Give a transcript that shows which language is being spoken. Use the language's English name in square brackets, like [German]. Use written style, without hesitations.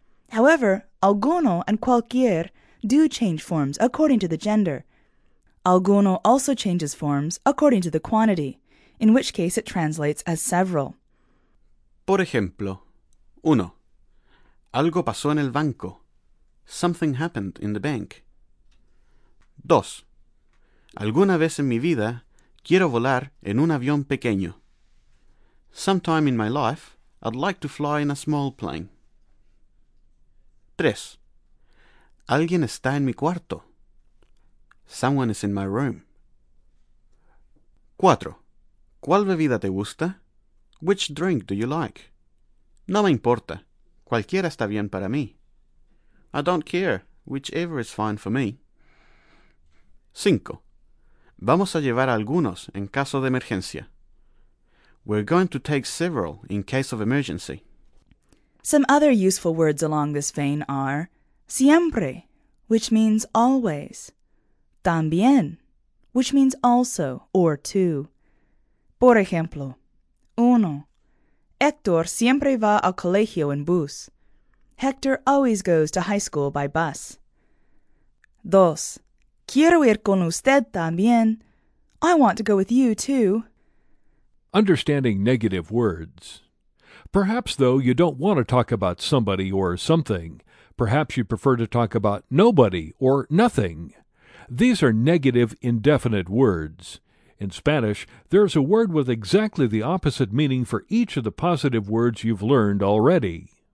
[English] However, alguno and cualquier do change forms according to the gender. Alguno also changes forms according to the quantity, in which case it translates as several. [Spanish] Por ejemplo, uno. Algo pasó en el banco. [English] Something happened in the bank. [Spanish] Dos. Alguna vez en mi vida, quiero volar en un avión pequeño. [English] Sometime in my life, I'd like to fly in a small plane. [Spanish] Tres. Alguien está en mi cuarto. [English] Someone is in my room. [Spanish] Cuatro. ¿Cuál bebida te gusta? [English] Which drink do you like? [Spanish] No me importa. Cualquiera está bien para mí. [English] I don't care. Whichever is fine for me. [Spanish] Cinco. Vamos a llevar algunos en caso de emergencia. [English] We're going to take several in case of emergency. Some other useful words along this vein are siempre, which means always. También, which means also or to. [Spanish] Por ejemplo, uno. Héctor siempre va al colegio en bus. [English] Hector always goes to high school by bus. [Spanish] Dos. Quiero ir con usted también. [English] I want to go with you, too. Understanding negative words. Perhaps, though, you don't want to talk about somebody or something. Perhaps you'd prefer to talk about nobody or nothing. These are negative indefinite words. In Spanish, there's a word with exactly the opposite meaning for each of the positive words you've learned already.